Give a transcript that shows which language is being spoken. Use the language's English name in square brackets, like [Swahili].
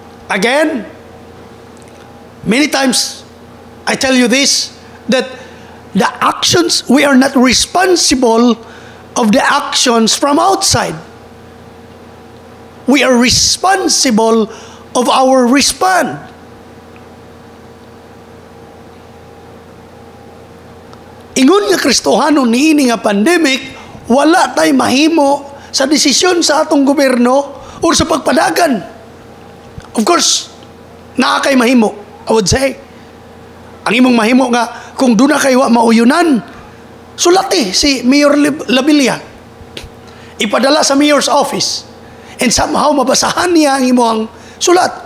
[English] Again, many times I tell you this, that the actions, we are not responsible of the actions from outside. We are responsible of our response. [Cebuano] Ingon nga Kristohano niini nga pandemic, wala tay mahimo sa desisyon sa atong gobyerno o sa pagpadagan. [English] Of course, [Cebuano] naa kay mahimo, [English] I would say. [Cebuano] Ang imong mahimo nga, kung doon na kayo wa mauyunan, sulati si Mayor Labilia. Ipadala sa Mayor's office. [English] And somehow [Cebuano] mabasahan niya ang imong sulat.